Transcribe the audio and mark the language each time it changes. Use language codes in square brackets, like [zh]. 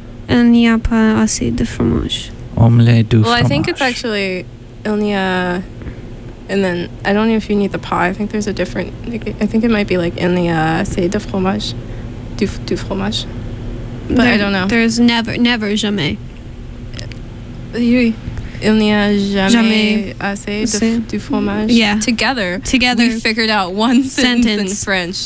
[fr] Il n'y a pas assez de fromage. Omelette du fromage. [en] Well, I think it's actually [fr] il n'y a, [en] and then I don't know if you need the pas. I think there's a different. Like, I think it might be like [fr] il n'y a assez de fromage, du fromage. [en] But there, I don't know. There's never, jamais. [fr] Oui. Il n'y a jamais assez du fromage. [en] Yeah. Together. We figured out one sentence in French.